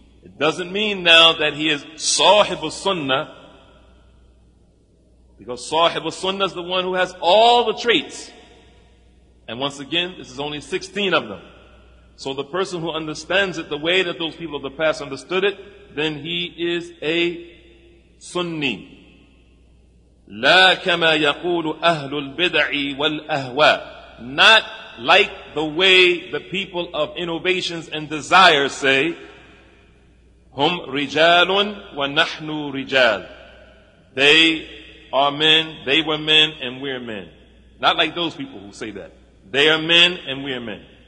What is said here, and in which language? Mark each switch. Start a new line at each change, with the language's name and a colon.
English: It doesn't mean now that he is sahib al-sunnah, because sahib al-sunnah is the one who has all the traits. And once again, this is only 16 of them. So the person who understands it the way that those people of the past understood it, then he is a sunni.
Arabic: لا كما يقول أهل البدع والأهواء.
English: Not like the way the people of innovations and desires say,
Arabic: هم رجال ونحن رجال.
English: They are men, they were men, and we're men. Not like those people who say that. They are men, and we're men.